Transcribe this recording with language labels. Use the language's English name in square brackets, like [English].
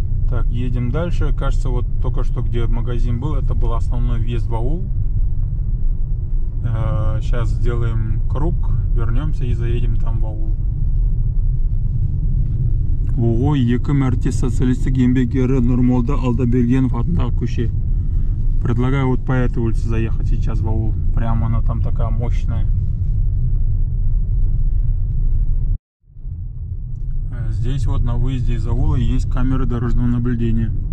[Russian] Так, едем дальше. Кажется, вот только что где магазин был, это был основной въезд в аул. Сейчас сделаем круг, вернемся и заедем там в аул. [Kazakh] Ого, 2 мәрте социалистик еңбек ері Нұрмолда Алдабергенов атындағы көше. [Russian] Предлагаю вот по этой улице заехать сейчас в аул. Прямо она там такая мощная. Здесь вот на выезде из аула есть камеры дорожного наблюдения.